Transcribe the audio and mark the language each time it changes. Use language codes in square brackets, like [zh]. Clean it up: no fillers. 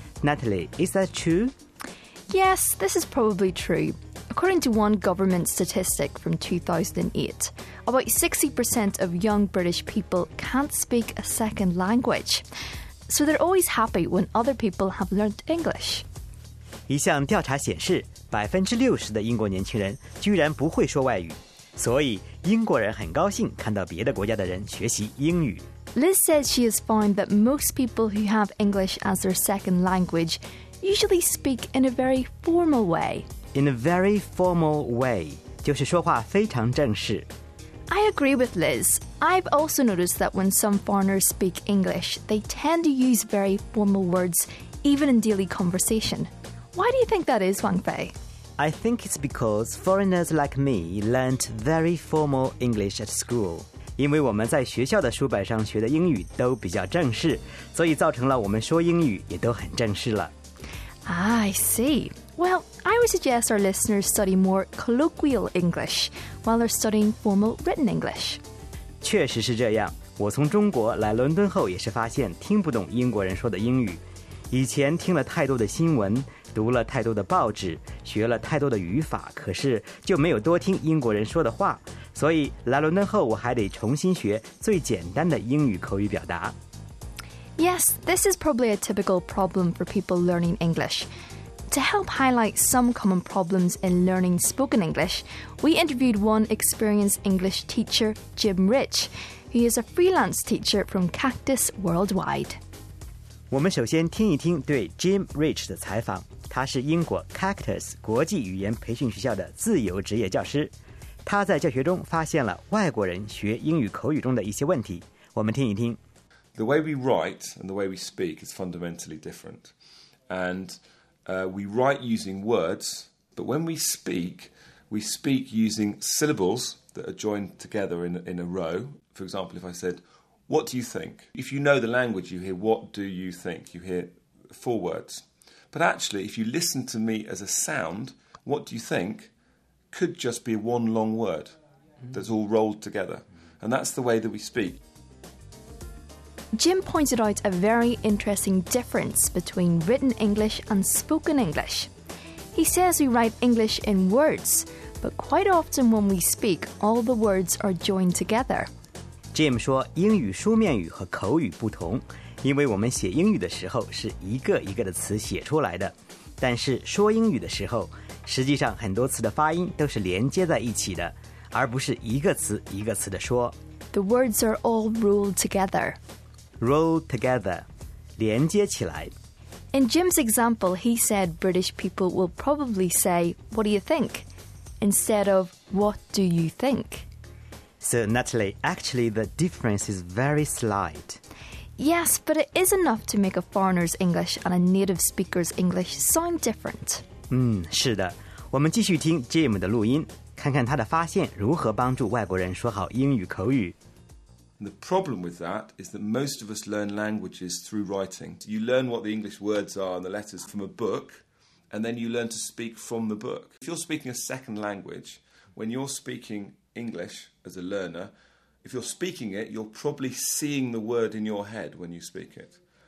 [en] Natalie, is that true? Yes, this is probably true. According to one government statistic from 2008, about 60% of young British people can't speak a second language. So they're always happy when other people have learned English. [zh] 一项调查显示 ,60% 的英国年轻人居然不会说外语。所以英国人很高兴看到别的国家的人学习英语。 [en] Liz says she has found that most people who have English as their second language usually speak in a very formal way. In a very formal way, [zh] 就是说话非常正式。 [en] I agree with Liz. I've also noticed that when some foreigners speak English, they tend to use very formal words even in daily conversation. Why do you think that is, Wangfei? I think it's because foreigners like me learned very formal English at school. [zh] 因为我们在学校的书本上学的英语都比较正式，所以造成了我们说英语也都很正式了。 [en] I see. Well, I would suggest our listeners study more colloquial English while they're studying formal written English. [zh] 确实是这样。我从中国来伦敦后也是发现听不懂英国人说的英语。以前听了太多的新闻，读了太多的报纸，学了太多的语法，可是就没有多听英国人说的话。所以来伦敦后，我还得重新学最简单的英语口语表达。 [en] Yes, this is probably a typical problem for people learning English. To help highlight some common problems in learning spoken English, we interviewed one experienced English teacher, Jim Rich, who is a freelance teacher from Cactus Worldwide. [zh] 我们首先听一听对 Jim Rich 的采访。他是英国 Cactus 国际语言培训学校的自由职业教师。他在教学中发现了外国人学英语口语中的一些问题。我们听一听。 [en] The way we write and the way we speak is fundamentally different. And we write using words, but when we speak using syllables that are joined together in a row. For example, if I said,What do you think? If you know the language, you hear what do you think? You hear four words. But actually, if you listen to me as a sound, what do you think could just be one long word that's all rolled together. And that's the way that we speak. Jim pointed out a very interesting difference between written English and spoken English. He says we write English in words, but quite often when we speak, all the words are joined together. [zh] Jim 说英语书面语和口语不同，因为我们写英语的时候是一个一个的词写出来的，但是说英语的时候，实际上很多词的发音都是连接在一起的，而不是一个词一个词的说。 [en] The words are all rolled together. [zh] Rolled together, 连接起来。 [en] In Jim's example, he said British people will probably say, "What do you think?" instead of "What do you think?" So, Natalie, actually, the difference is very slight. Yes, but it is enough to make a foreigner's English and a native speaker's English sound different. [zh] 是的，我们继续听 Jim 的录音，看看他的发现如何帮助外国人说好英语口语。 [en] The problem with that is that most of us learn languages through writing. You learn what the English words are and the letters from a book, and then you learn to speak from the book. If you're speaking a second language, when you're speaking English as a learner, if you're speaking it, you're probably seeing the word in your head when you speak it.